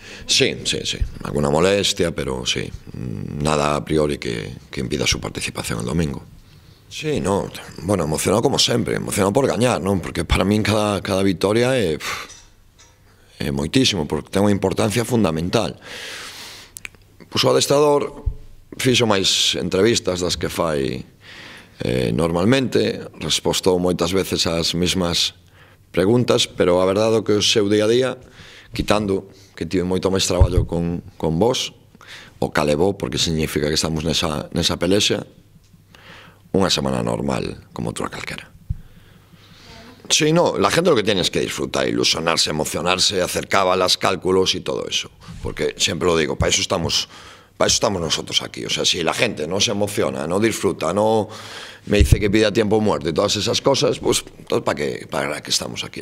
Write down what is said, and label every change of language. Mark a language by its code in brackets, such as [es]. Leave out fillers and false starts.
[es] Sí, alguna molestia, pero sí, nada a priori que impida su participación el domingo. Sí, no, bueno, emocionado como siempre, emocionado por ganar, ¿no? Porque para mí cada victoria es moitísimo, porque tengo importancia fundamental. [gl] Pues o adestrador, fixo máis entrevistas das que fai normalmente, respostou moitas veces as mesmas preguntas, pero a verdade é que o seu día a día, quitando que tive moito máis traballo con vos, o calevo, porque significa que estamos nesa pelexa, unha semana normal, como outra calquera. [es] Sí, no, la gente lo que tiene es que disfrutar, ilusionarse, emocionarse, hacer cábalas, cálculos y todo eso. Porque siempre lo digo, para eso estamos nosotros aquí. O sea, si la gente no se emociona, no disfruta, no me dice que pida tiempo muerto y todas esas cosas, pues entonces ¿para qué estamos aquí?